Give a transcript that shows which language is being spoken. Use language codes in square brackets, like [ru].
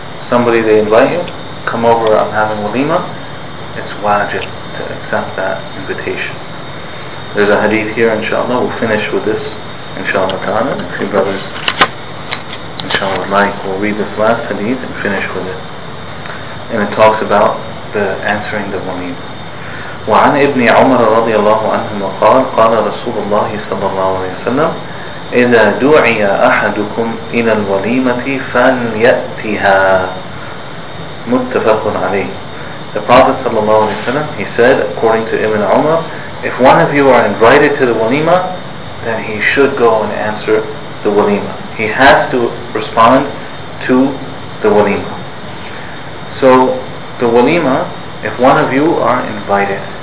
[en] Somebody, they invite you, come over, I'm having walima, it's wajib to accept that invitation. There's a hadith here, inshaAllah, we'll finish with this, inshaAllah ta'ala. A few brothers, inshaAllah, like, we'll read this last hadith and finish with it. And it talks about the answering the walima. [ar] وعن ابن عمر رضي الله عنهما قال قال رسول الله صلى الله عليه وسلم إذا دعي أحدكم إلى الوليمة فليأتها متفق عليه. [en] The Prophet [ar] صلى الله عليه وسلم, [en] he said, according to Ibn Umar, if one of you are invited to the walima, then he should go and answer the walima. He has to respond to the walima. So the walima, if one of you are invited.